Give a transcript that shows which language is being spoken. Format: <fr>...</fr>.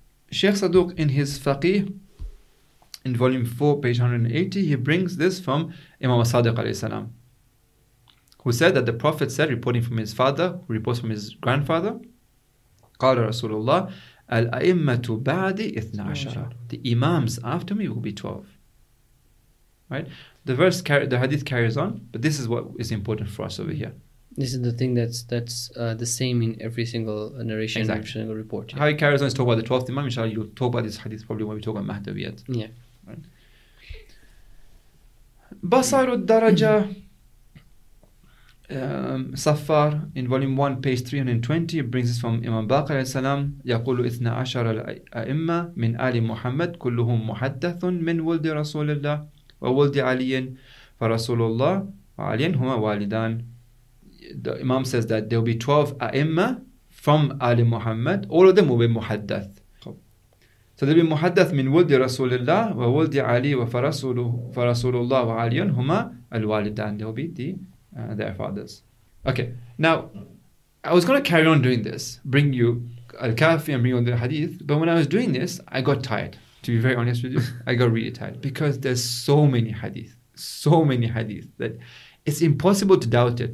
<en>Sheikh Saduq, in his Faqih, in volume 4, page 180, he brings this from Imam Sadiq alayhi salam, who said that the Prophet said, reporting from his father, who reports from his grandfather,</en> <ar>قال رسول الله الأئمة بعد 12,</ar> <en>the imams after me will be 12. Right? The hadith carries on, but this is what is important for us over here. This is the thing that's the same in every single narration, exactly. Every single report. Yeah. How it carries on is talk about the 12th imam, inshallah, you'll talk about this hadith probably when we talk about Mahdaviyat. Yeah. Basar al-Daraja, Safar, in volume 1, page 320, brings this from Imam Baqir alayhi salam,</en> <ar>يَقُولُ 12 الْأَئِمَّةِ مِنْ آلِ مُحَمَّدٍ كُلُّهُمْ مُحَدَّثٌ مِنْ وَلْدِ رَسُولِ اللَّهِ وَوَلْدِ عَلِيٍ فَرَسُولُ اللَّهِ وَعَلِيٍ هُمَا وَالِدَانٍ.</ar> <en>The Imam says that there will be 12 أَئِمَّة from آلِ Muhammad. All of them will be muhaddath. So there will be muhaddath</en> <ar>مِنْ وَلْدِ رَسُولِ اللَّهِ وَوَلْدِ عَلِيٍ فَرَسُولُ اللَّهِ وَعَلِيٍ هُمَا الْوَالِدَانِ.</ar> <en>There will be their fathers. Okay, now I was going to carry on doing this, bring you Al-Kafi and bring you the hadith, but when I was doing this, I got tired. to be very honest with you, I got really tired because there's so many hadith that it's impossible to doubt it.</en>